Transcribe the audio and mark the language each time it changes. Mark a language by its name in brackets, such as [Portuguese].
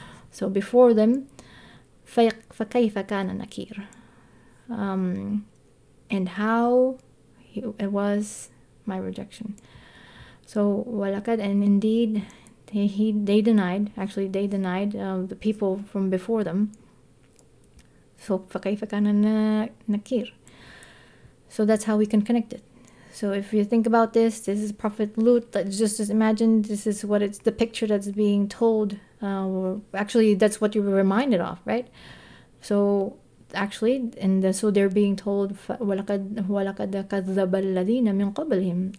[English] So before them, [Arabic] فَكَيْفَ كَانَ نَكِيرٌ. [English] And how it was my rejection. So [Arabic] وَلَقَدْ, [English] and indeed. They denied the people from before them. [Arabic] So فَكَيْفَ كَانَ نَكِيرٌ. [English] So that's how we can connect it. So if you think about this, this is Prophet Lut. Let's just imagine this is what it's the picture that's being told. Actually, that's what you were reminded of, right? So actually, and so they're being told [Arabic] وَلَقَدْ كَذَّبَ الَّذِينَ مِنْ قَبْلِهِمْ.